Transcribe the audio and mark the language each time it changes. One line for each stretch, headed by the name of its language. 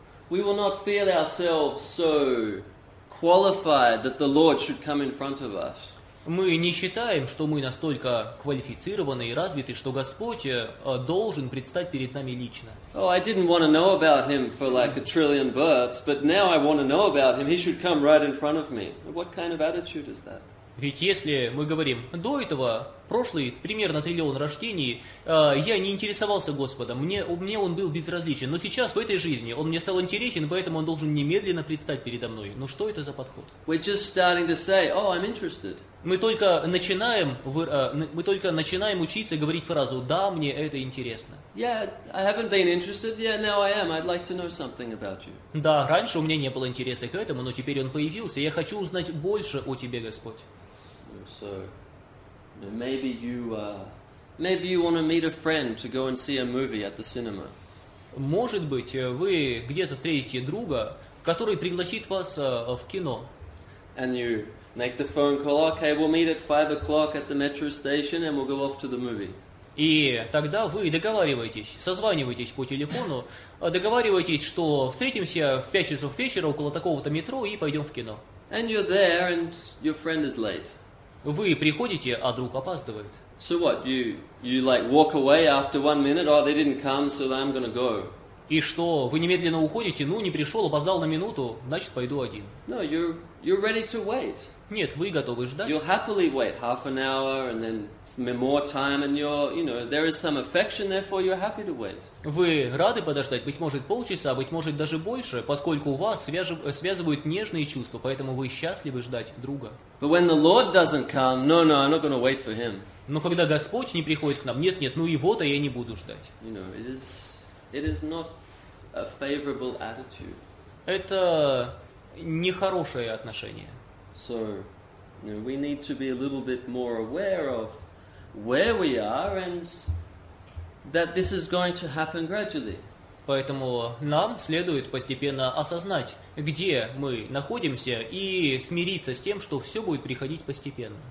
English: We will not feel ourselves so qualified that the Lord should come in front of us.
Russian: Мы не считаем, что мы настолько квалифицированы и развиты, что Господь должен предстать перед нами лично.
English: Oh, I didn't want to know about him for like a trillion births, but now I want to know about him. He should come right in front of me. What kind of attitude is that?
Russian: Ведь если мы говорим, до этого, прошлый, примерно триллион рождений, я не интересовался Господом, мне Он был безразличен, но сейчас, в этой жизни, Он мне стал интересен, поэтому Он должен немедленно предстать передо мной. Ну что это за подход?
English: We're just starting to say, oh, I'm interested.
Russian: Мы только начинаем учиться говорить фразу «Да, мне это интересно».
English: Yeah, I haven't been interested. Yeah, now I am. I'd like to know something about you.
Russian: Да, раньше у меня не было интереса к этому, но теперь он появился. Я хочу узнать больше о тебе, Господь.
English: So, maybe you want to meet a friend to go and see a movie at the cinema.
Russian: Может быть, вы где-то встретите друга, который пригласит вас в кино.
English: And you make the phone call, okay, we'll meet at 5 o'clock at the metro station and we'll go off to the movie.
Russian: И тогда вы договариваетесь, созваниваетесь по телефону, договариваетесь, что встретимся в 5 часов вечера около такого-то метро и пойдем в кино.
English: And you're there and your friend is late.
Russian: Вы приходите, а друг опаздывает.
English: So what, you like walk away after 1 minute, oh, they didn't come, so I'm gonna go.
Russian: И что, вы немедленно уходите, ну, не пришел, опоздал на минуту, значит, пойду один.
English: No, you're ready to wait.
Russian: Нет, вы готовы ждать.
English: You'll happily wait half an hour and then more time and there is some affection, therefore you're happy to wait.
Russian: Вы рады подождать, быть может, полчаса, быть может, даже больше, поскольку у вас связывают нежные чувства, поэтому вы счастливы ждать друга.
English: But when the Lord doesn't come, no, I'm not going to wait for him.
Russian: Но когда Господь не приходит к нам, нет, ну его-то я не буду ждать.
English: You know, it is not a favorable attitude.
Russian: Это нехорошее отношение.
English: So, we need to be a little bit more aware of where we are and that this is going to happen gradually.
Russian: Поэтому нам следует постепенно осознать, где мы находимся, и смириться с тем, что все будет приходить постепенно.